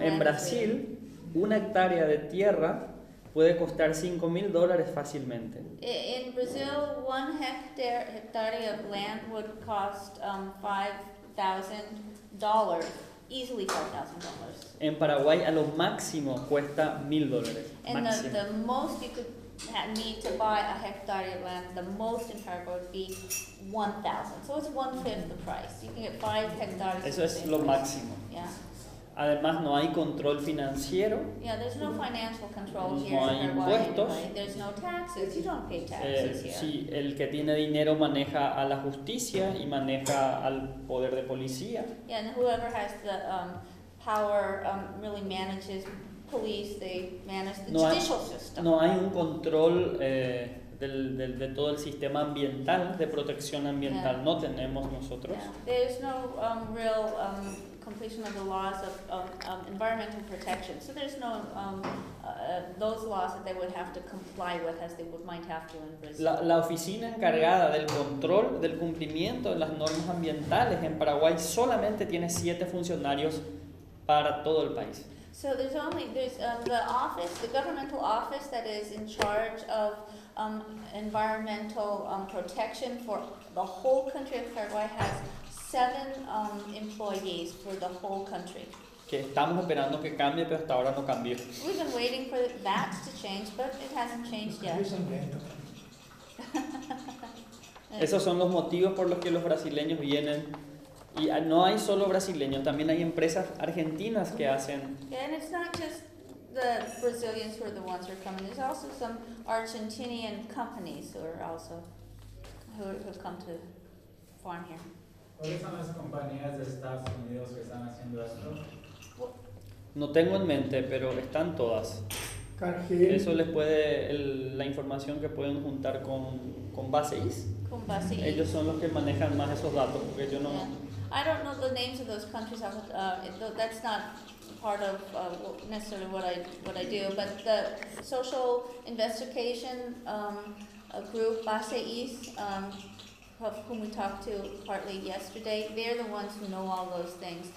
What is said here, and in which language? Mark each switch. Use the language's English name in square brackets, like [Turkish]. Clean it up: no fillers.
[Spanish] en Brasil, una hectárea de tierra puede costar $5,000 fácilmente. [English] In Brazil, one hectare of land would cost $5,000, easily $5,000. [Spanish] En Paraguay, a lo máximo cuesta $1,000. [English] And the most you could need to buy a hectare of land, the most in Paraguay would be $1,000. So it's one fifth the price. You can get 5 hectares. [Spanish] Eso es lo máximo. [English] Yeah. [Spanish] Además, no hay control financiero. [English] Yeah, there's no financial control here. [Spanish] No hay impuestos. [English] There's no taxes. You don't pay taxes here. [Spanish] Sí, el que tiene dinero maneja a la justicia y maneja al poder de policía. [English] Yeah, and whoever has the power really manages police. They manage the judicial system. [Spanish] No hay un control de todo el sistema ambiental, de protección ambiental. [English] Yeah. [Spanish] No tenemos nosotros. [English] Yeah. There's no real completion of the laws of environmental protection. So there's no those laws that they would have to comply with as they would might have to in Brazil. [Spanish] La oficina encargada del control del cumplimiento de las normas ambientales en Paraguay solamente tiene 7 funcionarios para todo el país. [English] So there's only the office, the governmental office that is in charge of environmental protection for the whole country of Paraguay has 7 employees for the whole country. [Spanish] Que estamos esperando que cambie, pero hasta ahora no cambió. [English] We've been waiting for that to change, but it hasn't changed yet. [Spanish] Esos son los motivos por los que los brasileños vienen. Y no hay solo brasileños, también hay empresas argentinas que hacen. [English] Yeah, and it's not just the Brazilians who are the ones who are coming. There's also some Argentinian companies who are also who have come to farm here. [Spanish] No tengo en mente, pero están todas. Cargill. Eso les puede la información que pueden juntar con Baseis. Con Baseis. Ellos son los que manejan más esos datos, porque yo no. [English] Yeah. I don't know the names of those countries. That's not part of necessarily what I do. But the social investigation group Baseis. Of whom we talked to partly yesterday, they're the ones who know all those things.